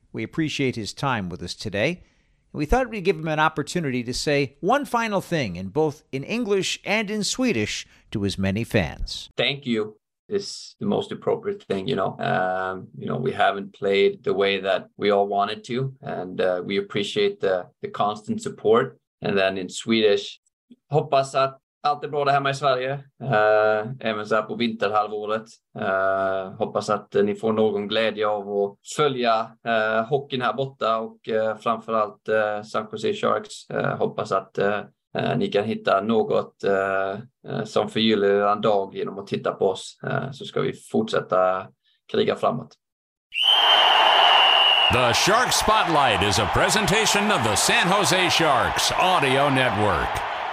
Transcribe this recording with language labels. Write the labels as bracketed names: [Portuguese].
[English] We appreciate his time with us today. We thought we'd give him an opportunity to say one final thing in both in English and in Swedish to his many fans. Thank you. is the most appropriate thing, you know. You know, we haven't played the way that we all wanted to, and we appreciate the constant support. And then in Swedish, [Swedish] hoppas att allt är bra hemma i Sverige, även så här på vinterhalvåret. Hoppas att ni får någon glädje av att följa hockeyn här borta och framförallt San Jose Sharks. Hoppas att ni kan hitta något som förgyller en dag genom att titta på oss. Så ska vi fortsätta kriga framåt. [English] The Shark Spotlight is a presentation of the San Jose Sharks Audio Network.